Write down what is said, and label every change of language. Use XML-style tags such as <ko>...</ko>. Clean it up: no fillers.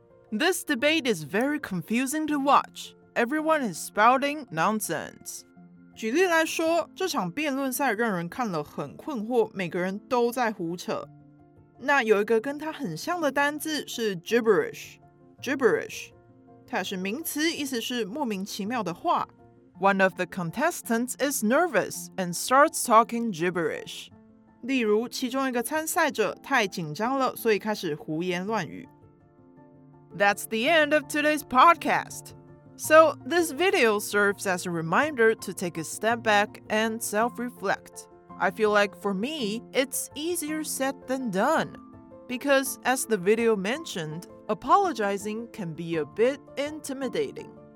<en>This debate is very confusing to watch. Everyone is spouting nonsense.</en> <zh>举例来说，这场辩论赛让人看了很困惑，每个人都在胡扯。那有一个跟它很像的单字是 gibberish，</zh> <en>gibberish</en> <zh>它是名词意思是莫名其妙的话。</zh> <en>One of the contestants is nervous and starts talking gibberish.</en> <zh>例如，其中一个参赛者太紧张了，所以开始胡言乱语。</zh> <en>That's the end of today's podcast. So, this video serves as a reminder to take a step back and self-reflect. I feel like for me, it's easier said than done. Because, as the video mentioned, apologizing can be a bit intimidating.</en>